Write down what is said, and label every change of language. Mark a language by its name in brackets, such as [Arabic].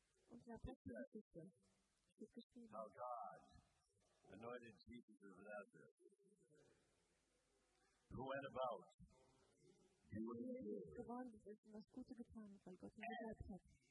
[German] Und in der Apostelgeschichte steht geschrieben. [English] How God anointed Jesus of Nazareth, who went about doing good. [German] Er hat das Gute getan, weil Gott ihn gesagt hat.